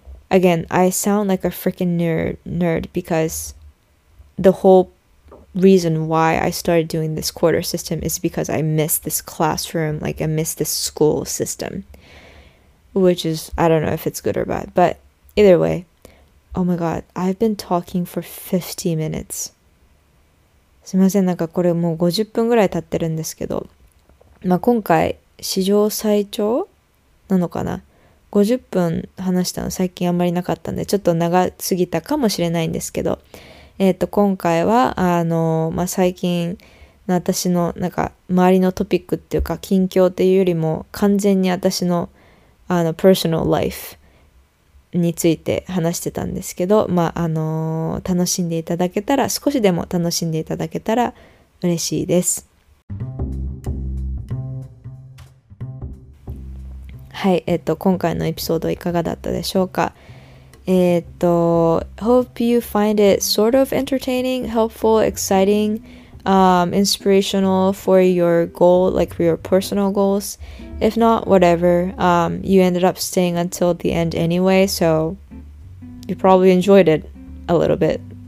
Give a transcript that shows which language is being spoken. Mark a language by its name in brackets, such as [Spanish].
[English] Again, I sound like a freaking nerd because the whole reason why I started doing this quarter system is because I miss this classroom, like I miss this school system, which is, I don't know if it's good or bad, but either way, oh my god, I've been talking for 50 minutes. [Japanese] すみません、なんかこれもう50分ぐらい経ってるんですけど、まあ今回史上最長なのかな、50分話したの最近あんまりなかったんで、ちょっと長すぎたかもしれないんですけど、今回は、まあ、最近の私の、なんか、周りのトピックっていうか、近況っていうよりも、完全に私の、 [English] personal life [Japanese] について話してたんですけど、まあ、楽しんでいただけたら、少しでも楽しんでいただけたら、嬉しいです。はい、今回のエピソードいかがだったでしょうか。 [English] Hope you find it sort of entertaining, helpful, exciting, inspirational for your goal, like for your personal goals. If not, whatever. You ended up staying until the end anyway, so you probably enjoyed it a little bit.